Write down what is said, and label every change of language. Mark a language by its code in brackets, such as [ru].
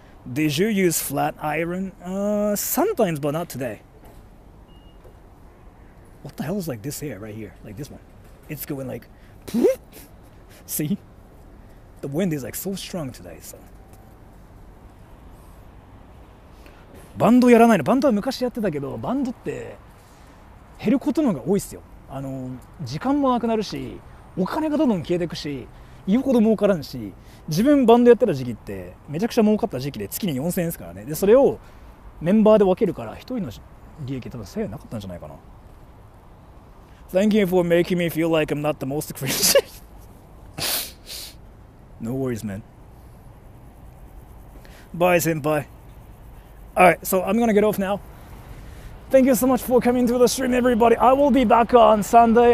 [en] Did you use flat iron? Sometimes, but not today. What the hell is like this hair right here? Like this one. It's going like... See? The wind is like so strong today, so... [ja] バンドやらないの。バンドは昔やってたけど、バンドって減ることのが多いっすよ。時間もなくなるし、お金がどんどん消えていくし、言うほど儲からんし、自分バンドやってた時期ってめちゃくちゃ儲かった時期で月に4000円ですからね。でそれをメンバーで分けるから一人の利益多分せいなかったんじゃないかな。 [en] Thank you for making me feel like I'm not the most crazy. No worries, man. Bye, 先輩。Alright, so I'm gonna get off now. Thank you so much for coming to the stream, everybody. I will be back on Sunday.